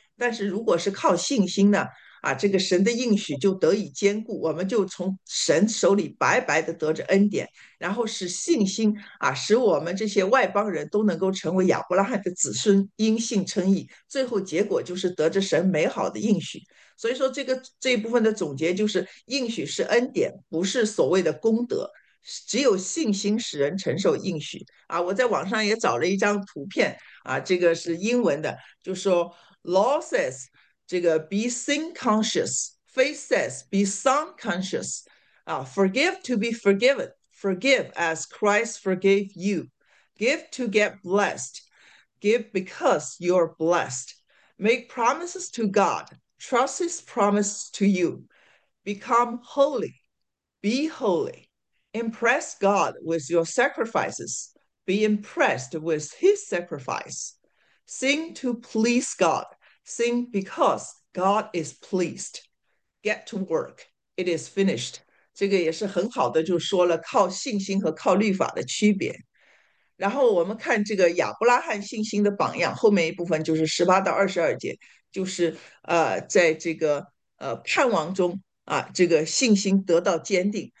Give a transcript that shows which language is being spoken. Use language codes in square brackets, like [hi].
[zh] 但是如果是靠信心呢，这个神的应许就得以坚固，我们就从神手里白白的得着恩典，然后使信心使我们这些外邦人都能够成为亚伯拉罕的子孙，因信称义，最后结果就是得着神美好的应许。所以说，这一部分的总结就是，应许是恩典，不是所谓的功德。只有信心使人承受应许啊！我在网上也找了一张图片啊，这个是英文的，就说 [en] "Law says [zh] 这个 [en] be sin conscious, faith says be son conscious, forgive to be forgiven, forgive as Christ forgave you, give to get blessed, give because you're blessed, make promises to God." Trust his promise to you. Become holy. Be holy. Impress God with your sacrifices. Be impressed with his sacrifice. Sing to please God. Sing because God is pleased. Get to work. It is finished. [zh] 这个也是很好的，就说了靠信心和靠律法的区别。然后我们看这个亚伯拉罕信心的榜样，后面一部分就是18到22节。就是在这个盼望中这个信心得到坚定。